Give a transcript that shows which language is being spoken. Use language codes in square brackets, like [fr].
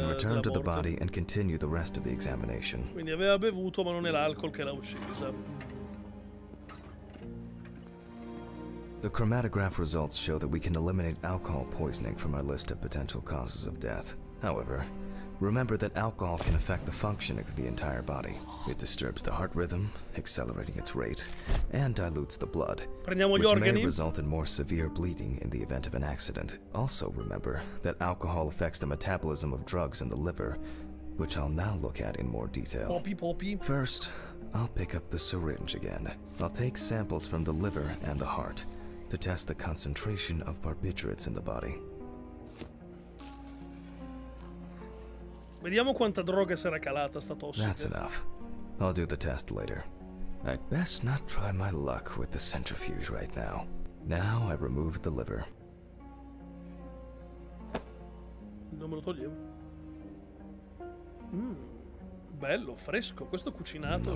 [en] I can return to the body and continue the rest of the examination. [it] Quindi aveva bevuto, ma non è l'alcol che l'ha uccisa. [en] The chromatograph results show that we can eliminate alcohol poisoning from our list of potential causes of death. However, remember that alcohol can affect the functioning of the entire body. It disturbs the heart rhythm, accelerating its rate, and dilutes the blood. [it] Prendiamo [en] which [it] gli organi. [en] May result in more severe bleeding in the event of an accident. Also remember that alcohol affects the metabolism of drugs in the liver, which I'll now look at in more detail. Poppy. First, I'll pick up the syringe again. I'll take samples from the liver and the heart to test the concentration of barbiturates in the body. [it] Vediamo quanta droga sarà calata sta tossica. [en] That's enough. I'll do the test later. I'd best not try my luck with the centrifuge right now. Now I remove the liver. [it] Non me lo toglievo. Bello, fresco. Questo cucinato